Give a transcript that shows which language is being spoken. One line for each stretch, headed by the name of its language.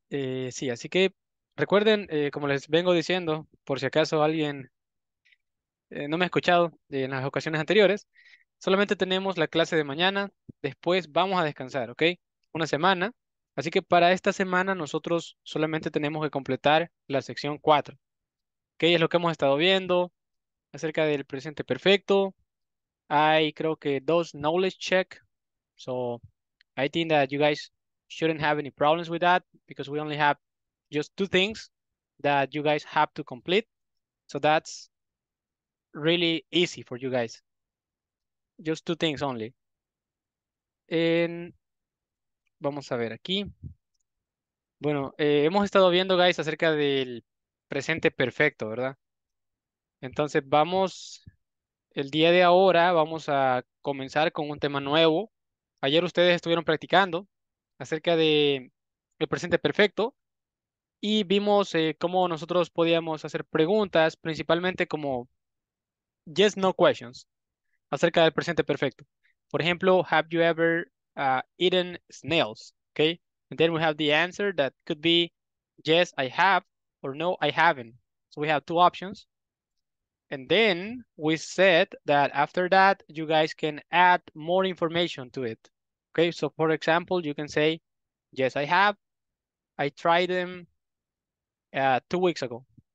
Spanish: Sí, así que recuerden, como les vengo diciendo, por si acaso alguien no me ha escuchado en las ocasiones anteriores, solamente tenemos la clase de mañana. Después vamos a descansar, ¿ok? Una semana. Así que para esta semana nosotros solamente tenemos que completar la sección 4, que es lo que hemos estado viendo acerca del presente perfecto, Hay creo que dos knowledge check.
English: So I think that you guys shouldn't have any problems with that because we only have just two things that you guys have to complete. So that's really easy for you guys. Just two things only.
Spanish: And vamos a ver aquí. Bueno, hemos estado viendo, guys, acerca del presente perfecto, ¿verdad? Entonces, vamos, el día de ahora vamos a comenzar con un tema nuevo. Ayer ustedes estuvieron practicando acerca del presente perfecto y vimos cómo nosotros podíamos hacer preguntas, principalmente como
English: yes, no questions,
Spanish: acerca del presente perfecto. Por ejemplo,
English: have you ever eaten snails? Okay. And then we have the answer that could be yes, I have, or no, I haven't. So we have two options. And then we said that after that, you guys can add more information to it. Okay, so for example, you can say, yes, I have. I tried them 2 weeks ago.